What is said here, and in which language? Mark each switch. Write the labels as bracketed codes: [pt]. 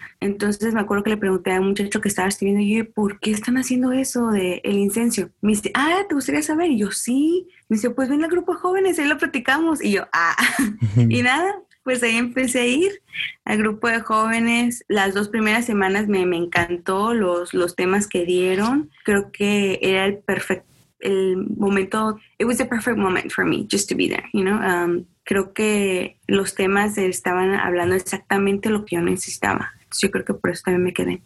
[es] Entonces me acuerdo que le pregunté a un muchacho que estaba escribiendo, y yo, ¿por qué están haciendo eso del incienso? Me dice, ah, ¿te gustaría saber? Y yo, sí. Me dice, pues ven al grupo de jóvenes, ahí lo platicamos. Y yo, ah. Y nada, pues ahí empecé a ir al grupo de jóvenes. Las dos primeras semanas me encantó los temas que dieron. Creo que era el perfecto. El momento, [en] it was the perfect moment for me just to be there, you know. [es] Creo que los temas estaban hablando exactamente lo que yo necesitaba. Entonces yo creo que por eso también me quedé.